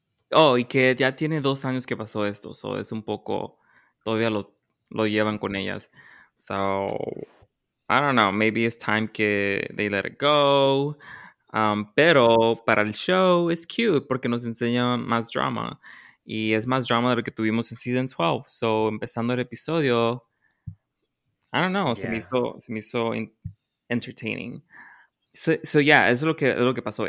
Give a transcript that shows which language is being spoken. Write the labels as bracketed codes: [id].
[es] Y que ya tiene 2 años que pasó esto, so es un poco, todavía lo llevan con ellas. [en] So, I don't know, maybe it's time que they let it go. [es] Pero para el show es cute porque nos enseña más drama. Y es más drama de lo que tuvimos en season 12. So, empezando el episodio, I don't know, yeah. se me hizo entertaining. So yeah, eso es lo que pasó.